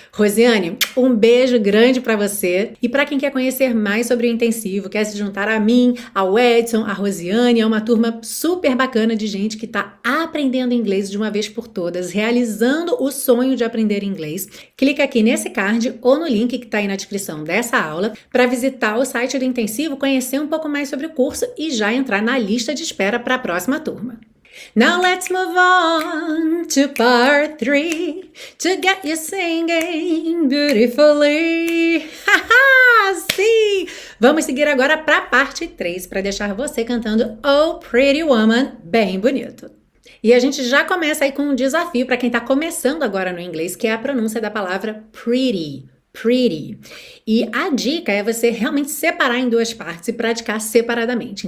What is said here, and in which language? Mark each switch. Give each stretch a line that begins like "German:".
Portuguese: Rosiane, um beijo grande para você. E para quem quer conhecer mais sobre o intensivo, quer se juntar a mim, ao Edson, à Rosiane, é uma turma super bacana de gente que está aprendendo inglês de uma vez por todas, realizando o sonho de aprender inglês. Clica aqui nesse card ou no link que está aí na descrição dessa aula para visitar o site do intensivo, conhecer um pouco mais sobre o curso e já entrar na lista de espera para a próxima turma.
English: Now let's move on to part three to get you singing beautifully.
Portuguese: Sim! Vamos seguir agora para a parte 3 para deixar você cantando Oh Pretty Woman bem bonito. E a gente já começa aí com um desafio para quem está começando agora no inglês, que é a pronúncia da palavra pretty. Pretty. E a dica é você realmente separar em duas partes e praticar separadamente.